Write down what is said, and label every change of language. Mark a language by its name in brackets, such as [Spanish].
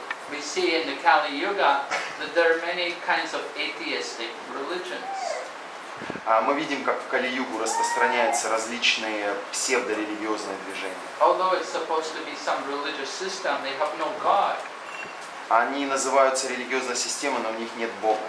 [English] We see in the Kali Yuga that there are many kinds of atheistic religions. [Russian] Мы видим, как в Кали-Югу распространяются различные псевдорелигиозные движения. [English] Although it's supposed to be some religious system, they have no God. [Russian] Они называются религиозной системой, но у них нет Бога.